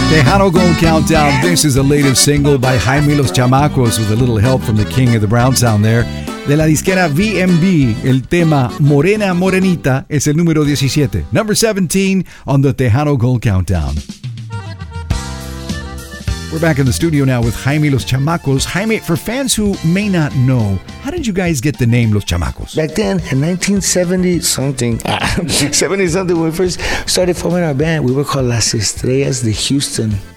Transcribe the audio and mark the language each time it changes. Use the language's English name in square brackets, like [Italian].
[English] Countdown. This is the latest single by Jaime Los Chamacos with a little help from the King of the Brown Sound there. [Spanish] De la disquera VMB, el tema Morena Morenita es el número 17. [English] Number 17 on the Tejano Gold Countdown. We're back in the studio now with Jaime Los Chamacos. Jaime, for fans who may not know, how did you guys get the name Los Chamacos? Back then, in 1970-something, 70-something, when we first started forming our band, we were called Las Estrellas de Houston.